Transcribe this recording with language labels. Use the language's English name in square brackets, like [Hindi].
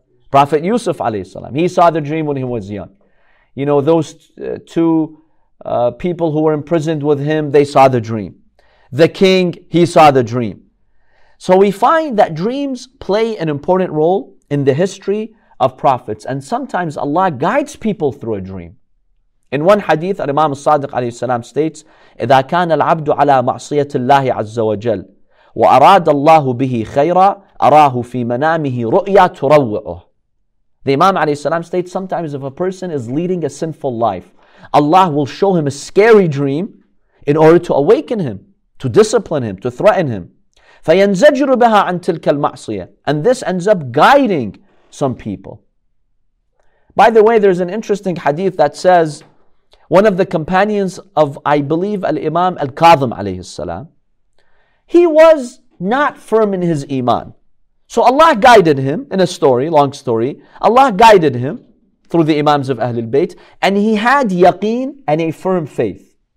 [English] Prophet Yusuf alayhi salam. He saw the dream when he was young. You know, those two people who were imprisoned with him, they saw the dream. The king, he saw the dream. So we find that dreams play an important role in the history of prophets. And sometimes Allah guides people through a dream. In one hadith, Imam al-Sadiq alayhi salam states, [Arabic] إذا كان العبد على معصية الله عز وجل وأراد الله به خيرا أراه في منامه رؤيا تروعه. [English] The Imam alayhi salam states, sometimes if a person is leading a sinful life, Allah will show him a scary dream in order to awaken him, to discipline him, to threaten him. [Arabic] فينزجر بها عن تلك المعصية. [English] And this ends up guiding some people. By the way, there's an interesting hadith that says one of the companions of, I believe, Al-Imam Al-Kadhim alayhi salam, he was not firm in his iman. So Allah guided him in a story, long story. Allah guided him through the imams of Ahlul Bayt, and he had yaqeen and a firm faith.